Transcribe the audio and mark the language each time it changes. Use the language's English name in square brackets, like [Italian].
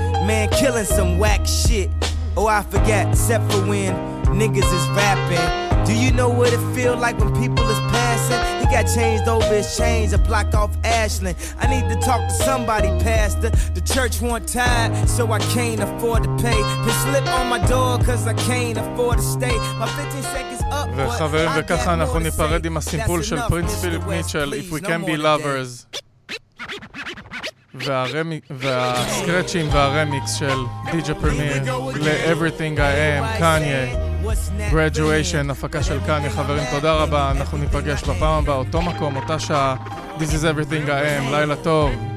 [English] Man, killing some whack shit. Oh, I forgot, except for when niggas is rapping. Do you know what it feel like when people is passing? He got changed over his chains, a block off Ashland. I need to talk to somebody, pastor. The church want tired, so I can't afford to pay. Put slip on my door, cause I can't afford to stay. My 15 seconds up, but [Hebrew] וחברים, וככה אנחנו ניפרד עם הסימפול של פרינס פיליפ מיטשל, If We Can Be Lovers. והסקרצ'ים והרמיקס של DJ Premier ל-Everything I Am, Kanye. Graduation, הפקה של קניה, חברים, תודה רבה, אנחנו ניפגש בפעם הבאה, אותו מקום, אותה שעה. [English] This is everything I am, [Hebrew] לילה טוב.